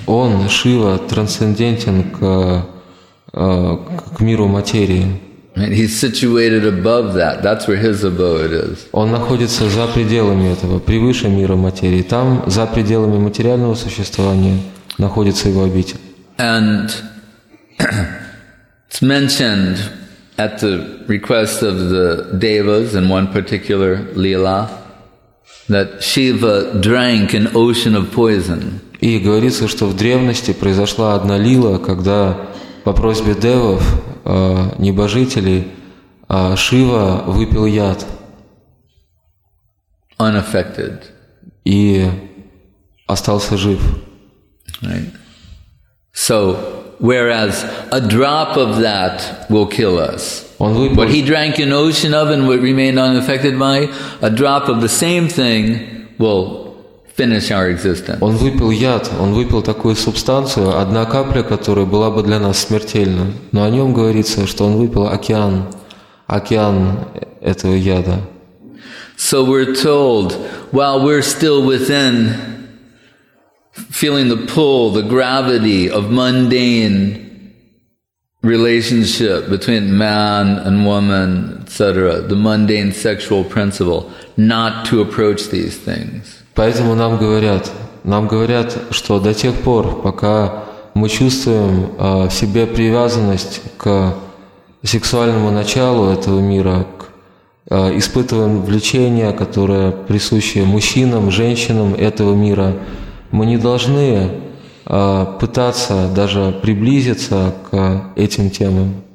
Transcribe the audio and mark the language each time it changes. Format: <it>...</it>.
<ru>Он, Шива, трансцендентен к миру материи.</ru> <en>Right. He's situated above that. That's where his abode is.</en> <ru>Он находится за пределами этого, превыше мира материи. Там, за пределами материального существования, находится его обитель.</ru> <en>And it's mentioned at the request of the devas in one particular lila, that Shiva drank an ocean of poison.</en> <ru>И говорится, что в древности произошла одна лила, когда по просьбе девов, небожителей, Шива выпил яд.</ru> <en>unaffected.</en> <ru>И остался жив.</ru> <en>Right. So, whereas a drop of that will kill us. What he drank an ocean of and would remain unaffected by, a drop of the same thing will finish our existence.</en> <ru>Он выпил яд, он выпил такую субстанцию, одна капля, которая была бы для нас смертельна. Но о нем говорится, что он выпил океан, океан этого яда.</ru> <en>So we're told, while we're still within, feeling the pull, the gravity of mundane relationship between man and woman, etc., the mundane sexual principle, not to approach these things.</en> <ru>Поэтому нам говорят, что до тех пор, пока мы чувствуем в себе привязанность к сексуальному началу этого мира, испытываем влечение, которое присуще мужчинам, женщинам этого мира, мы не должны пытаться даже приблизиться к этим темам.</ru>